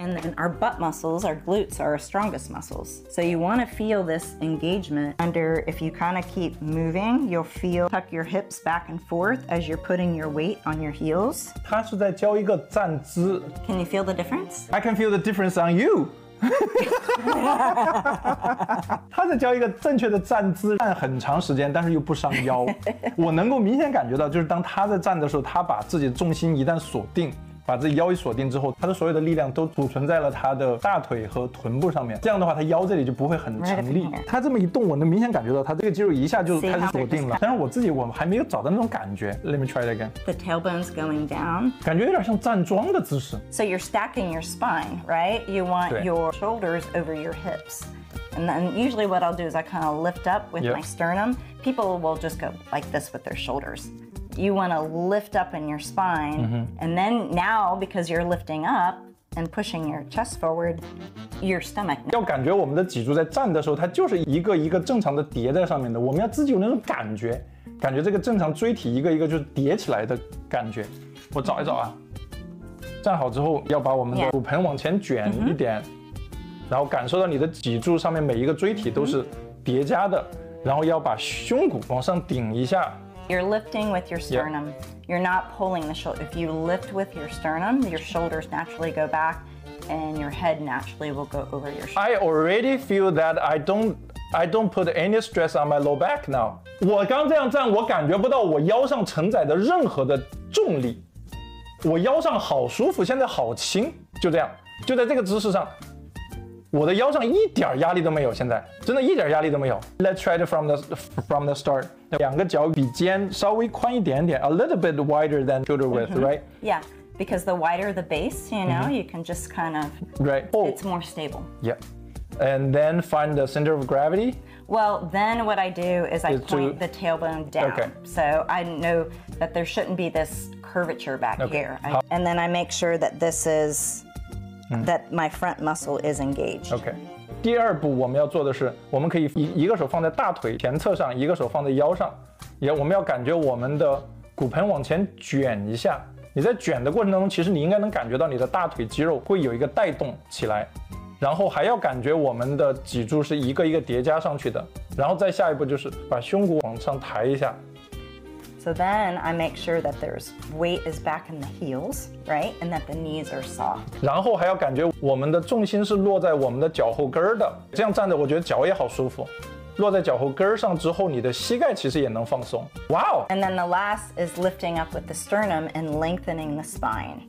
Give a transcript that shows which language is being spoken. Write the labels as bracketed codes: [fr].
[en] and then our butt muscles, our glutes are our strongest muscles. So you want to feel this engagement under, if you kind of keep moving, you'll feel, tuck your hips back and forth as you're putting your weight on your heels. [zh] 他是在教一个站姿。 [en] Can you feel the difference? I can feel the difference on you. [zh] 他在教一个正确的站姿，站很长时间，但是又不伤腰。我能够明显感觉到，就是当他在站的时候，他把自己的重心一旦锁定，把自己腰一锁定之后，他的所有的力量都储存在了他的大腿和臀部上面，这样的话他腰这里就不会很沉力。他这么一动，我能明显感觉到他这个肌肉一下就开始锁定了，但是我自己我还没有找到那种感觉。 [en] Let me try it again. The tailbone's going down. [zh] 感觉有点像站桩的姿势。 [en] So you're stacking your spine, right? You want your shoulders over your hips. And then usually what I'll do is I kind of lift up with、 yep. my sternum. People will just go like this with their shoulders. You want to lift up in your spine、 mm-hmm. and then now because you're lifting up and pushing your chest forward, your stomach. [zh] 要感觉我们的脊柱在站的时候它就是一个一个正常的叠在上面的，我们要自己有那种感觉，感觉这个正常椎体一个一个就叠起来的感觉。我找一找啊、 [en] mm-hmm. [zh] 站好之后要把我们的骨盆往前卷一点、mm-hmm. 然后感受到你的脊柱上面每一个椎体都是叠加的、 [en] mm-hmm. [zh] 然后要把胸骨往上顶一下。 [en] You're lifting with your sternum.、Yep. You're not pulling the shoulder. If you lift with your sternum, your shoulders naturally go back and your head naturally will go over your shoulders. I already feel that I don't put any stress on my low back now. [zh] 我刚这样站，我感觉不到我腰上承载的任何的重力。我腰上好舒服，现在好轻，就这样，就在这个姿势上。我的腰上一点压力都没有，现在真的一点压力都没有。 [en] Let's try it from the start. [zh] 两个脚比肩稍微宽一点点 [en] ，a little bit wider than shoulder width,、mm-hmm. right? Yeah, because the wider the base, you know,、mm-hmm. you can just kind of right. Oh, it's more stable. Yeah, and then find the center of gravity. Well, then what I do is I point the tailbone down. Okay. So I know that there shouldn't be this curvature back、 okay. here. And then I make sure that this is. That my front muscle is engaged. Okay. [zh] 第二步我们要做的是，我们可以一个手放在大腿前侧上，一个手放在腰上，也我们要感觉我们的骨盆往前卷一下。你在卷的过程当中，其实你应该能感觉到你的大腿肌肉会有一个带动起来，然后还要感觉我们的脊柱是一个一个叠加上去的。然后再下一步就是把胸骨往上抬一下。 [en] So then I make sure that there's weight is back in the heels, right? And that the knees are soft. [zh] 然后还要感觉我们的重心是落在我们的脚后跟的。这样站着我觉得脚也好舒服。落在脚后跟上之后你的膝盖其实也能放松。 [en] Wow! And then the last is lifting up with the sternum and lengthening the spine.